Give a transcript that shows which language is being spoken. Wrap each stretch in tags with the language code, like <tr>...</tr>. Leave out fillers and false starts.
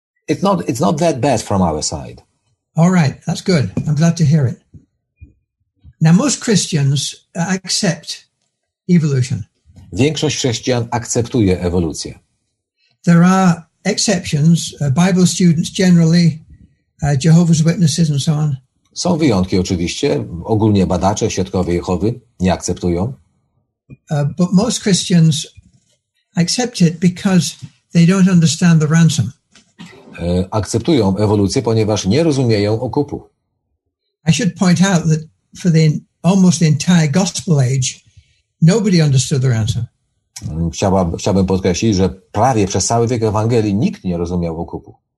<en>It's not that bad from our side. All right, that's good. I'm glad to hear it. Now most Christians accept evolution.</en> <pl>Większość chrześcijan akceptuje ewolucję.</pl> <en>There are exceptions, Bible students generally, Jehovah's Witnesses and so on.</en> <pl>Są wyjątki oczywiście, ogólnie badacze, świadkowie Jehowy nie akceptują.</pl> <en>But most Christians accept it because they don't understand the ransom.</en> <pl>Akceptują ewolucję, ponieważ nie rozumieją okupu.</pl> <en>I should point out that for the almost the entire gospel age, nobody understood the ransom.</en> <pl>Chciałbym podkreślić, że prawie przez cały wiek Ewangelii nikt nie rozumiał okupu.</pl>